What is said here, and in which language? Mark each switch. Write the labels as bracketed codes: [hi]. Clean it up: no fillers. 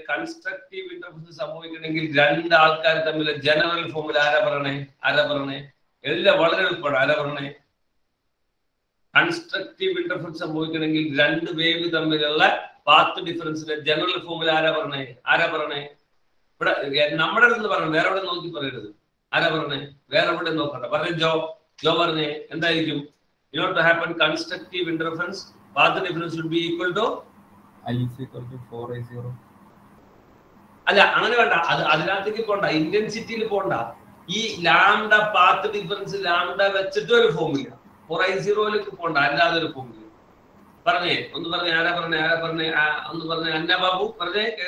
[ml] Constructive interference സംഭവിക്കണമെങ്കിൽ രണ്ട് ആൾക്കാർ തമ്മിലെ ജനറൽ ഫോർമുല ആരാ പറയണേ? ആരാ പറയണേ? എല്ലാം വളരെ എളുപ്പമാണ്. ആരാ പറയണേ? കൺസ്ട്രക്റ്റീവ് ഇന്റർഫറൻസ് സംഭവിക്കണമെങ്കിൽ രണ്ട് വേവ് തമ്മിലുള്ള പാത്ത് ഡിഫറൻസിന്റെ ജനറൽ ഫോർമുല ആരാ പറയണേ? ആരാ പറയണേ? ഇവിടെ നമ്മുടെ അടുത്ത് പറയണം, വേറെ എവിടെ നോക്കി പറയരുത്. ആരാ പറയണേ? വേറെ എവിടെ നോക്കണ്ട. പറഞ്ഞ ജോ, ജോ പറഞ്ഞേ എന്തായിരിക്കും? [en] You know to happen constructive interference, path difference should be equal to I is equal to 4i0. [ml] അല്ല അങ്ങനെ വേണ്ട, അത് അതിനകത്തേക്ക് പോണ്ട, ഇന്റൻസിറ്റിയിൽ പോണ്ട. ഈ ലാംഡ പാത്ത് ഡിഫറൻസ് ലാംഡ വെച്ചിട്ട് ഒരു ഫോർമുല, 4i0 പോണ്ട, അല്ലാതെ ഒരു ഫോർമുല. പറഞ്ഞേ, ഒന്ന് പറഞ്ഞേ, ആരാ പറഞ്ഞേ? ആരാ പറഞ്ഞേ? ഒന്ന് പറഞ്ഞേ, അന്ന ബാബു പറഞ്ഞേ,